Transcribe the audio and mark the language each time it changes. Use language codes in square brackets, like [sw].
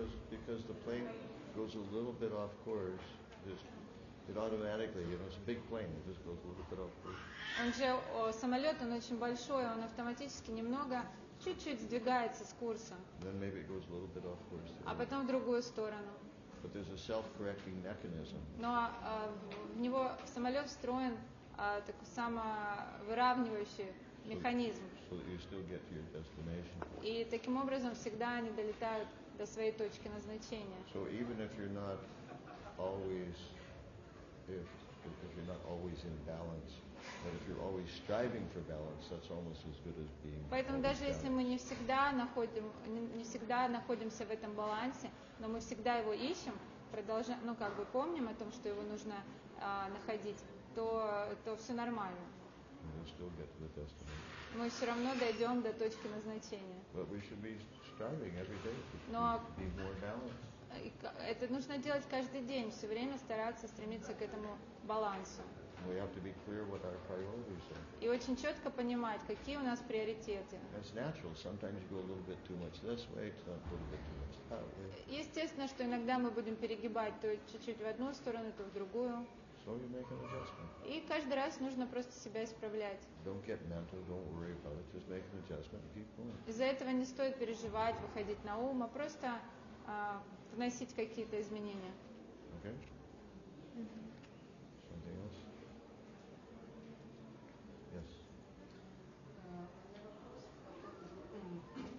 [en] Because the plane goes a little bit off course, just it automatically, you know, it's a big plane, it just goes a little bit off course. [ru] Он же самолет, он очень большой, он автоматически немного, чуть-чуть сдвигается с курса. [en] Then maybe it goes a little bit off course. [ru] А потом в другую сторону. [en] But there's a self-correcting mechanism. [ru] Но в него в самолет встроен такой самовыравнивающий механизм. [en] So that you still get to your destination. [ru] И таким образом всегда они долетают до своей точки назначения. [en] So even if you're not always if you're not always in balance, but if you're always striving for balance, that's almost as good as being. [ru] Поэтому даже если мы не всегда находимся в этом балансе, но мы всегда его ищем, продолжаем, ну как бы помним о том, что его нужно находить, то все нормально. [en] We'll still get to the destination. [ru] Мы все равно дойдем до точки назначения. [en] But we should be striving every day to be more balanced. [ru] Это нужно делать каждый день, все время стараться стремиться к этому балансу. [en] We have to be clear what our priorities are. [ru] И очень четко понимать, какие у нас приоритеты. [en] That's natural. Sometimes you go a little bit too much this way, a little bit too much that way. [ru] Естественно, что иногда мы будем перегибать то чуть-чуть в одну сторону, то в другую. [en] So you make an adjustment. [ru] И каждый раз нужно просто себя исправлять. [en] Don't get mental, don't worry about it. Just make an adjustment and keep going. [ru] Из-за этого не стоит переживать, выходить на ум, а просто вносить какие-то изменения. [en] Okay. Mm-hmm. Something else? Yes.